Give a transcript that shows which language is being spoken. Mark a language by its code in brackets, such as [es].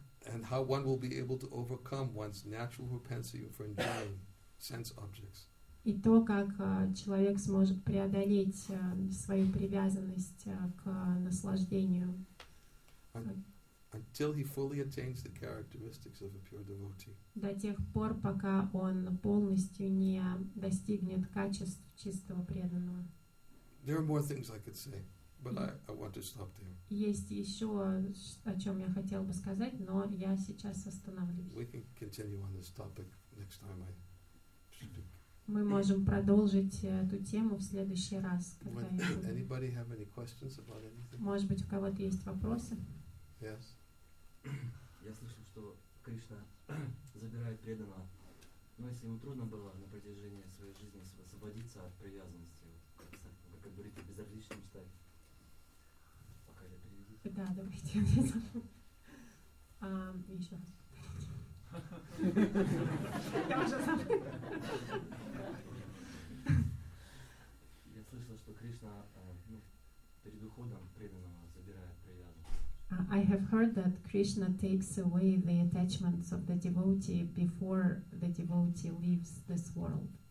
[en] And how one will be able to overcome one's natural propensity for enjoying sense objects. [ru] И то, как человек сможет преодолеть свою привязанность к наслаждению. [en] Until he fully attains the characteristics of a pure devotee. [ru] До тех пор, пока он полностью не достигнет качеств чистого преданного. [en] There are more things I could say, but I want to stop there. [ru] Есть еще, о чем я хотел бы сказать, но я сейчас остановлюсь. [en] We can continue on this topic next time I speak. [ru] Мы можем продолжить эту тему в следующий раз. [en] Anybody have any questions about anything? [ru] Может быть, у кого-то есть вопросы? [en] Yes. [ru] Я слышал, что Кришна забирает преданного. Но если ему трудно было на протяжении своей жизни освободиться от привязанности, вот, как говорится, безразличным стать, Да, добрый день. Еще раз. Я уже забыла. Я слышала, что Кришна перед уходом преданного забирает преданного. [en] I have heard that Krishna takes away the attachments of the devotee before the devotee leaves this world.